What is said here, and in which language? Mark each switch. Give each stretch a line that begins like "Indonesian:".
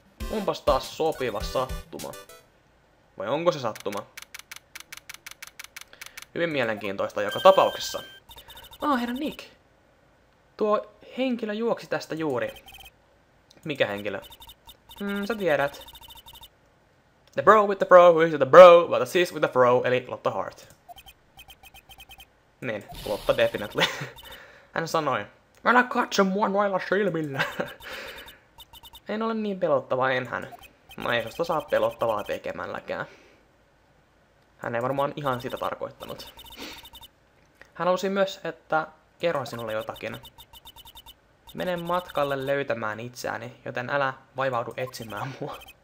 Finnish: Onpas taas sopiva sattuma. Vai onko se sattuma? Hyvin mielenkiintoista joka tapauksessa. Herra Nick. Tuo henkilö juoksi tästä juuri. Mikä henkilö? Sä tiedät.
English: The bro with the bro, who is the bro, but the sis with the fro,
Finnish: eli
English: Lotta Hart.
Finnish: Niin, Lotta definitely. Hän sanoi, älä katso mua noilla silmillä. En ole niin pelottava, enhän. No ei susta saa pelottavaa tekemälläkään. Hän ei varmaan ihan sitä tarkoittanut. Hän halusi myös, että kerron sinulle jotakin. Mene matkalle löytämään itseäni, joten älä vaivaudu etsimään mua.